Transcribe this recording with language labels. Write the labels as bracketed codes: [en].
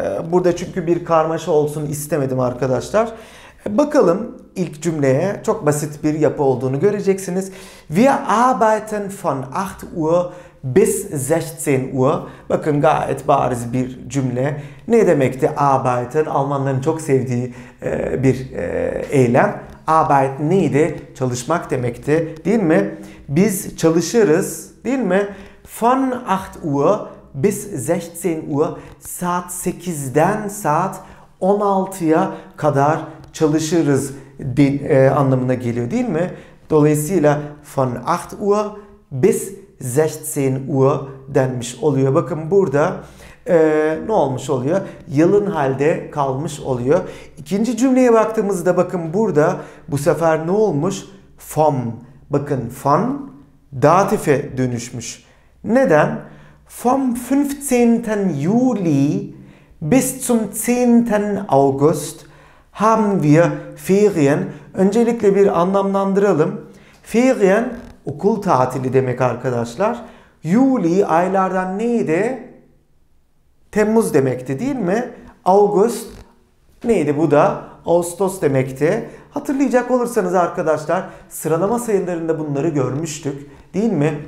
[tr] Burada çünkü bir karmaşa olsun istemedim arkadaşlar. Bakalım ilk cümleye. Çok basit bir yapı olduğunu göreceksiniz. [de] Wir arbeiten von 8 Uhr bis 16 Uhr. [tr] Bakın gayet bariz bir cümle. Ne demekti arbeiten? Almanların çok sevdiği bir eylem. Arbeit neydi? Çalışmak demekti, değil mi? Biz çalışırız, değil mi? [de] Von 8 Uhr bis 16 Uhr, [tr] saat 8'den saat 16'ya kadar çalışırız anlamına geliyor, değil mi? Dolayısıyla [de] von 8 Uhr bis 16 Uhr [tr] denmiş oluyor. Bakın burada ne olmuş oluyor? Yalın halde kalmış oluyor. İkinci cümleye baktığımızda bakın burada bu sefer ne olmuş? Vom. Bakın von datife dönüşmüş. [de] Neden? Vom 15. Juli bis zum 10. August haben wir Ferien. [tr] Öncelikle bir anlamlandıralım. Ferien okul tatili demek arkadaşlar. Juli aylardan neydi? Temmuz demekti, değil mi? August neydi bu da? Ağustos demekti. Hatırlayacak olursanız arkadaşlar sıralama sayılarında bunları görmüştük, değil mi?